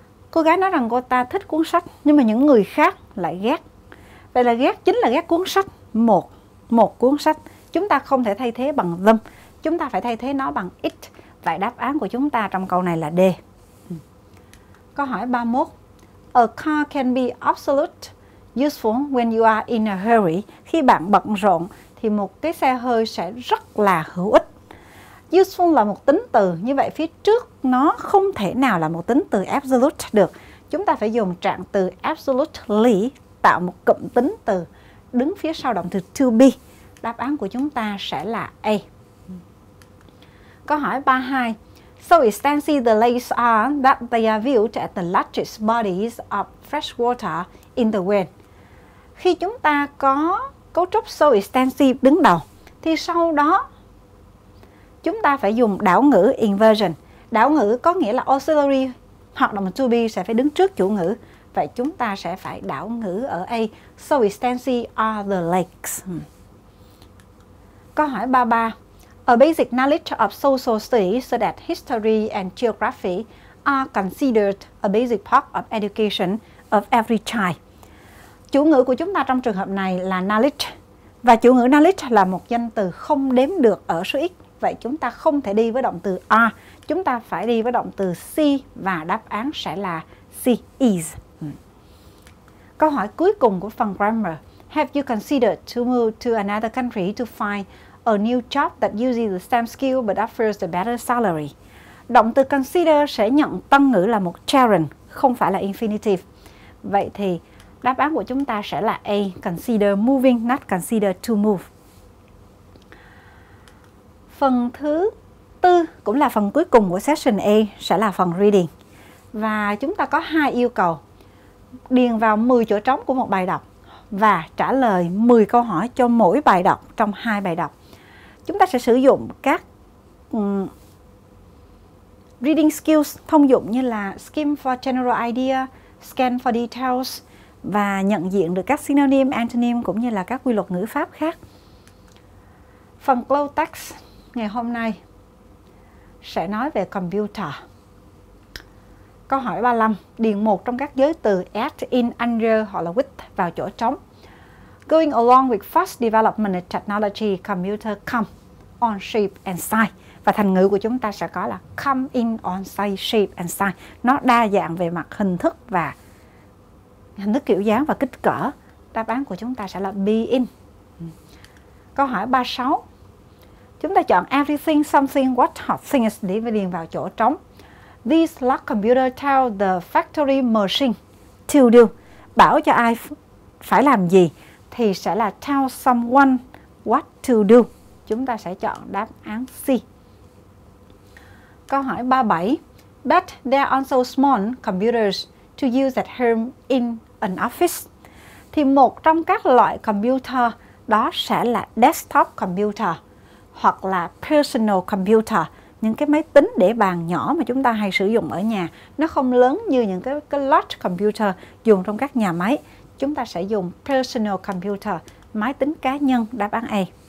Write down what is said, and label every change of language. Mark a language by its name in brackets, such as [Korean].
[Vietnamese] Cô gái nói rằng cô ta thích cuốn sách, nhưng mà những người khác lại ghét. Vậy là ghét chính là ghét cuốn sách, một cuốn sách. Chúng ta không thể thay thế bằng them, chúng ta phải thay thế nó bằng it. Vậy đáp án của chúng ta trong câu này là D. Câu hỏi 31. [English] A car can be absolute useful when you are in a hurry. [Vietnamese] Khi bạn bận rộn thì một cái xe hơi sẽ rất là hữu ích. Useful là một tính từ, như vậy phía trước nó không thể nào là một tính từ absolute được. Chúng ta phải dùng trạng từ absolutely tạo một cụm tính từ đứng phía sau động từ to be. Đáp án của chúng ta sẽ là A. Câu hỏi 32. [English] So extensive the lakes are that they are viewed at the largest bodies of fresh water in the world. [Vietnamese] Khi chúng ta có cấu trúc so extensive đứng đầu, thì sau đó chúng ta phải dùng đảo ngữ inversion. Đảo ngữ có nghĩa là auxiliary hoặc động to be sẽ phải đứng trước chủ ngữ. Vậy chúng ta sẽ phải đảo ngữ ở A. [English] So extensive are the lakes. [Vietnamese] Câu hỏi 33. [English] A basic knowledge of social studies so that history and geography are considered a basic part of education of every child. [Vietnamese] Chủ ngữ của chúng ta trong trường hợp này là knowledge. Và chủ ngữ knowledge là một danh từ không đếm được ở số ít. Vậy chúng ta không thể đi với động từ are. Chúng ta phải đi với động từ see và đáp án sẽ là see is. Câu hỏi cuối cùng của phần grammar. [English] Have you considered to move to another country to find a new job that uses the same skill but offers a better salary? [Vietnamese] Động từ consider sẽ nhận tân ngữ là một gerund, không phải là infinitive. Vậy thì đáp án của chúng ta sẽ là A, [English] consider moving, not consider to move. [Vietnamese] Phần thứ tư, cũng là phần cuối cùng của session A, sẽ là phần reading. Và chúng ta có hai yêu cầu. Điền vào 10 chỗ trống của một bài đọc và trả lời 10 câu hỏi cho mỗi bài đọc trong hai bài đọc. Chúng ta sẽ sử dụng các reading skills thông dụng như là [English] skim for general idea, scan for details [Vietnamese] và nhận diện được các synonym, antonym cũng như là các quy luật ngữ pháp khác. Phần close text ngày hôm nay sẽ nói về computer. Câu hỏi 35, điền một trong các giới từ at, in, under hoặc là with vào chỗ trống. [English] Going along with fast development of technology, computer come on shape and size. [Vietnamese] Và thành ngữ của chúng ta sẽ có là [English] come in on size, shape and size. [Vietnamese] Nó đa dạng về mặt hình thức và hình thức kiểu dáng và kích cỡ. Đáp án của chúng ta sẽ là be in. Câu hỏi 36. Chúng ta chọn everything, something, what, or things để điền vào chỗ trống. [English] This large computer tell the factory machine to do. [Vietnamese] Bảo cho ai phải làm gì thì sẽ là [English] tell someone what to do. [Vietnamese] Chúng ta sẽ chọn đáp án C. Câu hỏi 37. [English] But there are also small computers to use at home in an office. [Vietnamese] Thì một trong các loại computer đó sẽ là desktop computer hoặc là personal computer, những cái máy tính để bàn nhỏ mà chúng ta hay sử dụng ở nhà. Nó không lớn như những cái large computer dùng trong các nhà máy. Chúng ta sẽ dùng personal computer, máy tính cá nhân, đáp án A.